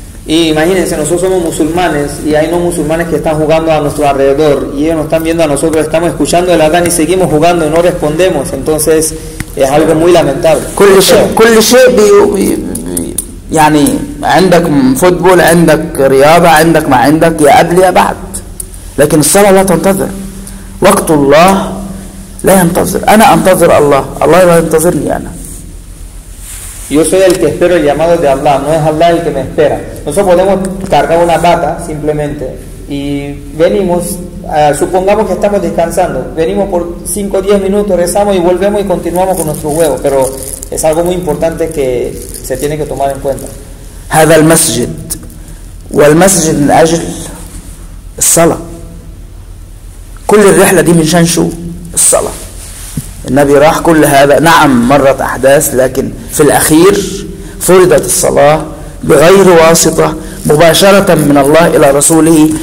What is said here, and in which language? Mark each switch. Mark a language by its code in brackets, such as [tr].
[es] Y imagínense, nosotros somos musulmanes y hay no musulmanes que están jugando a nuestro alrededor y ellos nos están viendo a nosotros, estamos escuchando el adán y seguimos jugando y no respondemos. Entonces es algo muy lamentable. [ar] كل شيء بي يعني عندك فوتبول, عندك رياضة, عندك ما عندك, يا قبل يا بعد, لكن الصلاة لا تنتظر, وقت الله لا ينتظر. أنا أنتظر الله, الله لا ينتظرني أنا. [es] Yo soy el que espero el llamado de Allah, no es Allah el que me espera. Nosotros podemos cargar una bata simplemente y venimos, supongamos que estamos descansando, venimos por 5 o 10 minutos, rezamos y volvemos y continuamos con nuestro juego. Pero es algo muy importante que se tiene que tomar en cuenta. [ar] هذا المسجد والمسجد من أجل الصلاة. كل الرحلة دي من شان شو؟ الصلاة. النبي راح كل هذا, نعم مرت أحداث, لكن في الأخير فرضت الصلاة بغير واسطة مباشرة من الله إلى رسوله.